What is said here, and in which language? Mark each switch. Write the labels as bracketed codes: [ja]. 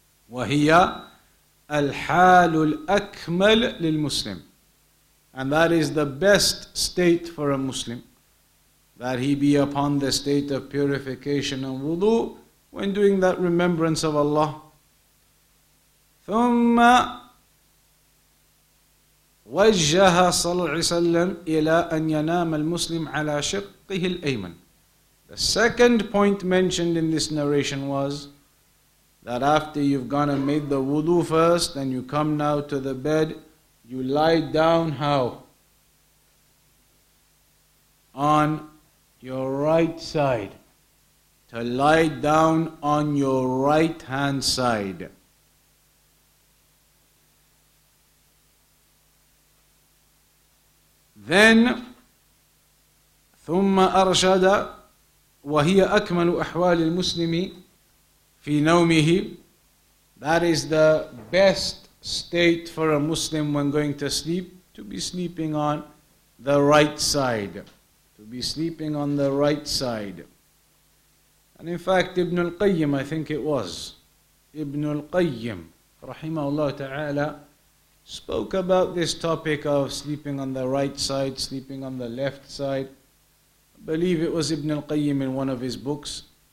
[ar] وَهِيَ الْحَالُ الْأَكْمَلُ لِلْمُسْلِمِ. [en] And that is the best state for a Muslim, that he be upon the state of purification and wudu when doing that remembrance of Allah. [ar] ثُمَّ وجه صلى الله عليه وسلم إلى أن ينام المسلم على شقه الأيمن. [en] The second point mentioned in this narration was that after you've gone and made the wudu first, then you come now to the bed, you lie down how? On your right side. To lie down on your right hand side. Then, [ar] ثم أرشد وهي أكمل أحوال المسلم في نومه. [en] That is the best state for a Muslim when going to sleep, to be sleeping on the right side. To be sleeping on the right side. And in fact, Ibn al-Qayyim, I think it was, Ibn al-Qayyim, rahimahullah ta'ala, spoke about this topic of sleeping on the right side, sleeping on the left side. I believe it was Ibn al-Qayyim in one of his books.